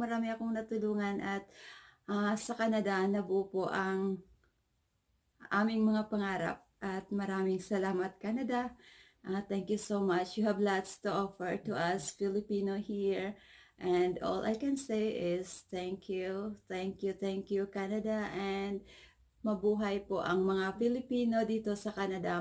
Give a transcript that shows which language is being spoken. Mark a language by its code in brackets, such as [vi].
[tl] Marami akong natulungan at sa Canada nabuo po ang aming mga pangarap. At maraming salamat, [en] Canada. Thank you so much. You have lots to offer to us Filipino here. And all I can say is thank you. Thank you. Thank you, Canada. [tl] And mabuhay po ang mga Filipino dito sa Canada.